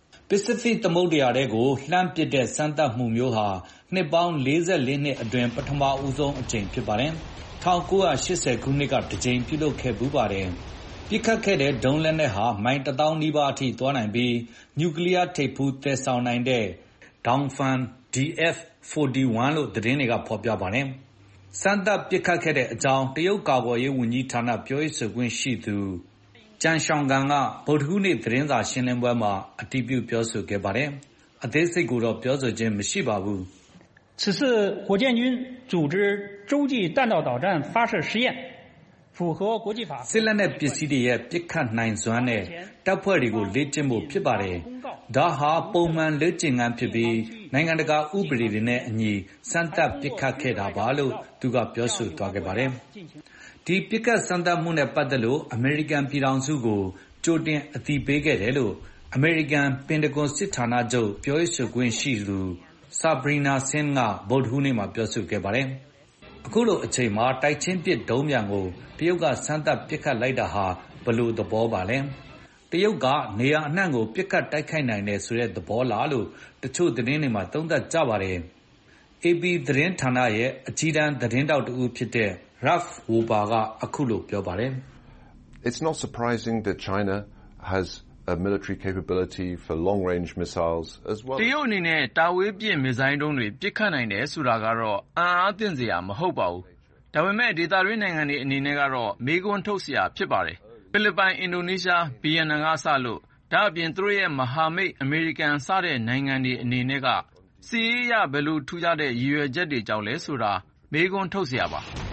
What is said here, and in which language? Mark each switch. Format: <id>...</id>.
<my>Pacific သမုဒ္ဒရာထဲကိုလှမ်းပစ်တဲ့စမ်းသပ်မှုမျိုးဟာနှစ်ပေါင်း44နှစ်အတွင်းပထမအဦးဆုံးအကြိမ်ဖြစ်ပါတယ်။1980ခုနှစ်ကတကြိမ်ပြုလုပ်ခဲ့ပူးပါတယ်။ပစ်ခတ်ခဲ့တဲ့ဒုံးလက်နဲ့ဟာမိုင်1000နီးပါးအထိသွားနိုင်ပြီးနျူကလ িয়ার ထိပ်ဖူးသယ်ဆောင်နိုင်တဲ့ Dongfang DF-41 လို့သတင်းတွေကဖော်ပြပါတယ်။စမ်းသပ်ပစ်ခတ်ခဲ့တဲ့အကြောင်းတရုတ်ကာကွယ်ရေးဝန်ကြီးဌာနပြောရေးဆိုခွင့်ရှိသူ ကျန်ရှောင်ကန်ကဗုဒ္ဓဟူးနေ့သတင်းစာရှင်းလင်းပွဲမှာအတိအပြုပြောဆိုခဲ့ပါတယ်အသေးစိတ်ကိုတော့ပြောဆိုခြင်းမရှိပါဘူး</my> <zh>此次火箭军组织洲际弹道导弹发射试验符合国际法</zh> <my>စစ်လက်နက်ပစ္စည်းတွေရဲ့ပစ်ခတ်နိုင်စွမ်းနဲ့တပ်ဖွဲ့တွေကိုလေ့ကျင့်ဖို့ဖြစ်ပါတယ်ဒါဟာပုံမှန်လေ့ကျင့်ခန်းဖြစ်ပြီးနိုင်ငံတကာဥပဒေတွေနဲ့အညီစမ်းသပ်ပစ်ခတ်ခဲ့တာပါလို့သူကပြောဆိုသွားခဲ့ပါတယ် ဒီပစ်ခတ်စမ်းသပ်မှုနဲ့ပတ်သက်လို့အမေရိကန်ပြည်ထောင်စုကိုကြိုတင်အသိပေးခဲ့တယ်လို့အမေရိကန်ပင်တဂွန်စစ်ဌာနချုပ်ပြောရေးဆိုခွင့်ရှိသူ ဆာဘရီနာဆင်းကဗုဒ္ဓဟူးနေ့မှာပြောဆိုခဲ့ပါတယ်။အခုလိုအချိန်မှာတိုက်ချင်းပစ်ဒုံးမြန်ကိုတရုတ်ကစမ်းသပ်ပစ်ခတ်လိုက်တာဟာဘလို့သဘောပါလဲ။တရုတ်ကနေရာအနှံ့ကိုပစ်ခတ်တိုက်ခိုက်နိုင်တယ်ဆိုတဲ့သဘောလားလို့တချို့သတင်းတွေမှာသုံးသပ်ကြပါတယ်။ AP သတင်းဌာနရဲ့အကြီးတန်းသတင်းတောက်တူဖြစ်တဲ့Ralph Wuba ကအခုလိုပြောပါတယ်</my> <en>It's not surprising that China has a military capability for long range missiles as well.</en> <my>တရုတ်အနေနဲ့တာဝေးပြင့်မစ္စိုင်းဒုံးတွေပစ်ခတ်နိုင်တယ်ဆိုတာကတော့အံ့အားသင့်စရာမဟုတ်ပါဘူး။ဒါပေမဲ့ဒေသရင်းနိုင်ငံတွေအနေနဲ့ကတော့မေးခွန်းထုတ်စရာဖြစ်ပါတယ်။ဖိလစ်ပိုင်၊အင်ဒိုနီးရှား၊ဗီယက်နမ်ကစလို့ဒါအပြင်သူတို့ရဲ့မဟာမိတ်အမေရိကန်စတဲ့နိုင်ငံတွေအနေနဲ့ကစီးရဘယ်လိုထူးခြားတဲ့ရည်ရွယ်ချက်တွေကြောင့်လဲဆိုတာမေးခွန်းထုတ်စရာပါ။</my>